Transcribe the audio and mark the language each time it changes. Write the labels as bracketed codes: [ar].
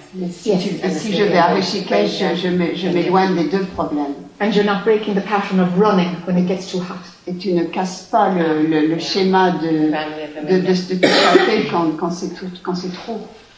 [fr] Si je vais à Rishikesh, je m'éloigne des deux problèmes. [en] And you're not breaking the pattern of running when it gets too hot. [fr] Et tu ne casses pas le schéma de te frapper quand c'est trop.